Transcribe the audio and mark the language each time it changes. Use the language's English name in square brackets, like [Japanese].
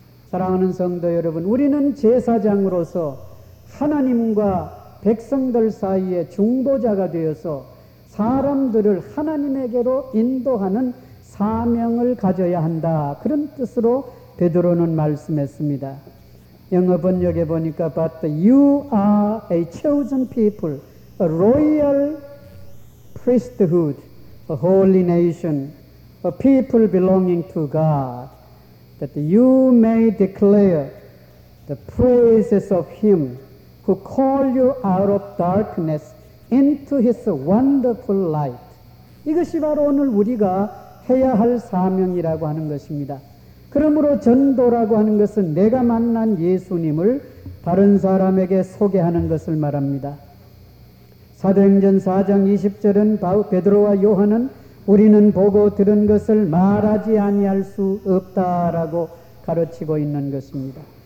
[Korean] 사랑하는 성도 여러분, 우리는 제사장으로서 하나님과 백성들 사이에 중보자가 되어서 사람들을 하나님에게로 인도하는 사명을 가져야 한다. 그런 뜻으로 베드로는 말씀했습니다. 영어 번역에 보니까 [English] But you are a chosen people, a royal priesthood, a holy nation, a people belonging to God, that you may declare the praises of him who called you out of darkness into his wonderful light. [Korean] 이것이 바로 오늘 우리가 해야 할 사명이라고 하는 것입니다. 그러므로 전도라고 하는 것은 내가 만난 예수님을 다른 사람에게 소개하는 것을 말합니다. 사도행전 4장 20절은 베드로와 요한은 우리는 보고 들은 것을 말하지 아니할 수 없다라고 가르치고 있는 것입니다.